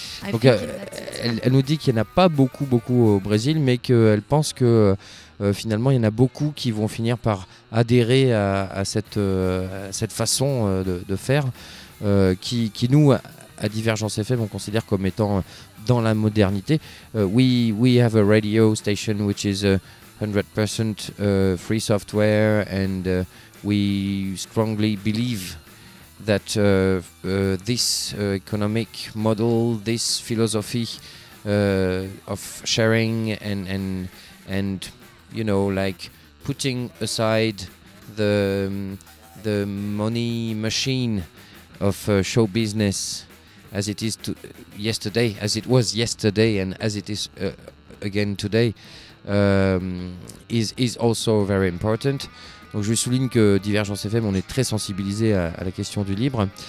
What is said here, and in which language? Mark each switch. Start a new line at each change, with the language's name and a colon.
French: Donc, elle nous dit qu'il n'y en a pas beaucoup au Brésil, mais qu'elle pense que finalement, il y en a beaucoup qui vont finir par adhérer à cette façon de faire, qui nous, à Divergence FM, on considère comme étant dans la modernité.
English: We have a radio station which is 100% free software, and we strongly believe that this economic model, this philosophy of sharing and you know, like putting aside the money machine of show business as it is yesterday, as it was yesterday, and as it is again today, is also very important.
French: Donc je souligne que Divergence FM, on est très sensibilisé à la question du libre.